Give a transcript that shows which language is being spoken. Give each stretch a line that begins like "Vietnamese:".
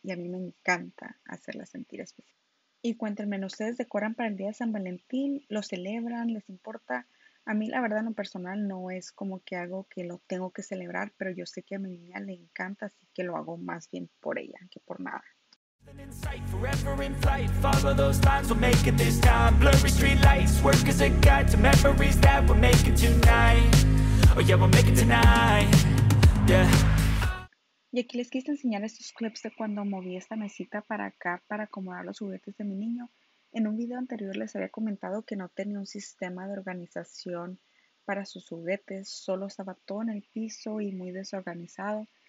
Spanish: Y a mí me encanta hacerla sentir especial. Y cuéntenme, ¿ustedes decoran para el día de San Valentín? ¿Lo celebran? ¿Les importa? A mí la verdad en lo personal no es como que algo que lo tengo que celebrar, pero yo sé que a mi niña le encanta, así que lo hago más bien por ella que por nada.
English: In sight, forever in flight, follow those lines, we'll make it this time. Blurry street lights, work as a guide to memories that we'll make it tonight. Oh yeah, we'll make it tonight. Yeah.
Spanish: Y aquí les quise enseñar estos clips de cuando moví esta mesita para acá para acomodar los juguetes de mi niño. En un video anterior les había comentado que no tenía un sistema de organización para sus juguetes, solo estaba todo en el piso y muy desorganizado.